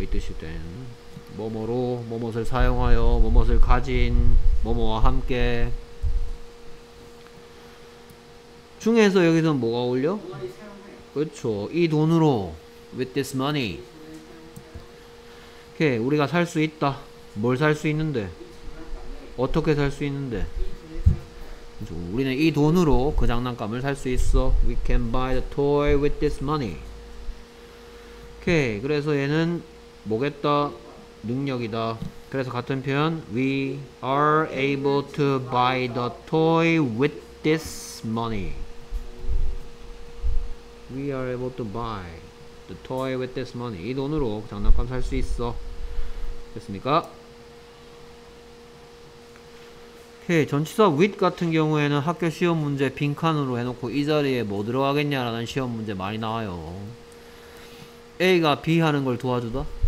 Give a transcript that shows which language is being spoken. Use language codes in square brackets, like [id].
[ko] 이 뜻이 된 뭐뭐로 뭐뭇을 사용하여 뭐뭇을 가진 뭐뭐와 함께 중에서 여기서는 뭐가 어울려? 그렇죠. 이 돈으로 [en] with this money [ko] 오케이. 우리가 살 수 있다. 뭘 살 수 있는데 어떻게 살 수 있는데 우리는 이 돈으로 그 장난감을 살 수 있어. [en] We can buy the toy with this money. [ko] 오케이. 그래서 얘는 뭐겠다? 능력이다. 그래서 같은 표현 [en] We are able to buy the toy with this money. We are able to buy the toy with this money. [ko] 이 돈으로 장난감 살 수 있어. 됐습니까? 오케이. 전치사 with 같은 경우에는 학교 시험 문제 빈칸으로 해놓고 이 자리에 뭐 들어가겠냐라는 시험 문제 많이 나와요. A가 B 하는 걸 도와주다?